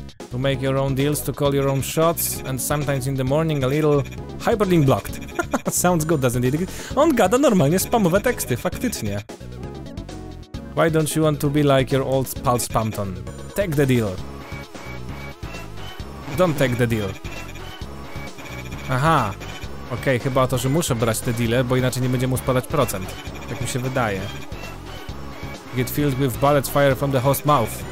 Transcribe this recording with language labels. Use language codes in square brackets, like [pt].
[en] To make your own deals, to call your own shots, and sometimes in the morning a little hyperlink blocked. Sounds good, doesn't it? [pl] On gada normalnie spamowe teksty, faktycznie. [en] Why don't you want to be like your old pal Spamton? Take the deal. Don't take the deal. Aha. [pl] Okej, okay, chyba o to, że muszę brać te deale, bo inaczej nie będzie mu spadać procent. Tak mi się wydaje. [en] Get filled with bullet fire from the host mouth.